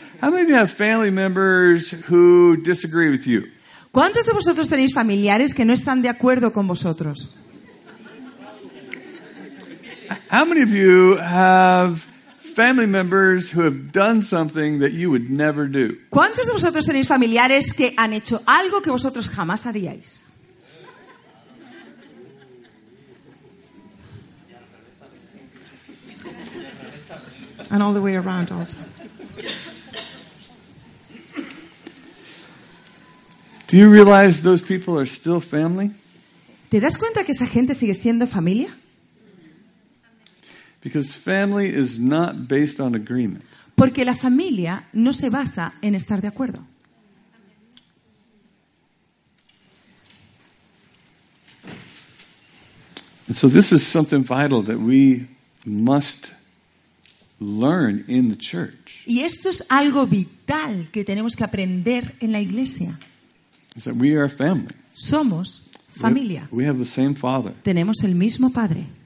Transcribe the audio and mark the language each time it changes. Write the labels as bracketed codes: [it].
[en] How many of you have family members who disagree with you? [es] ¿Cuántos de vosotros tenéis familiares que no están de acuerdo con vosotros? [en] How many of you have family members who have done something that you would never do? [es] ¿Cuántos de vosotros tenéis familiares que han hecho algo que vosotros jamás haríais? [en] And all the way around also. Do you realize those people are still family? [es] ¿Te das cuenta que esa gente sigue siendo familia? [en] Because family is not based on agreement. [es] Porque la familia no se basa en estar de acuerdo. [en] And so this is something vital that we must learn in the church. [es] Y esto es algo vital que tenemos que aprender en la iglesia. [en] Is that we are family. [es] Somos familia. [en] We have the same father. [es] Tenemos el mismo padre.